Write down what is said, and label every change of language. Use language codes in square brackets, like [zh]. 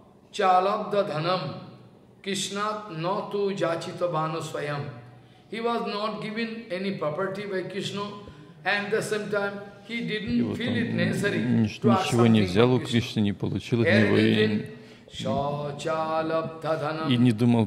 [sa] Чалабда Дханам Кришна Нату Джачита Бхану Свайам. [en] He was not given any property by Krishna, and at the same time he didn't feel it necessary to ask something. [ru] Ничего не взял у Кришны, не получил от него, и не думал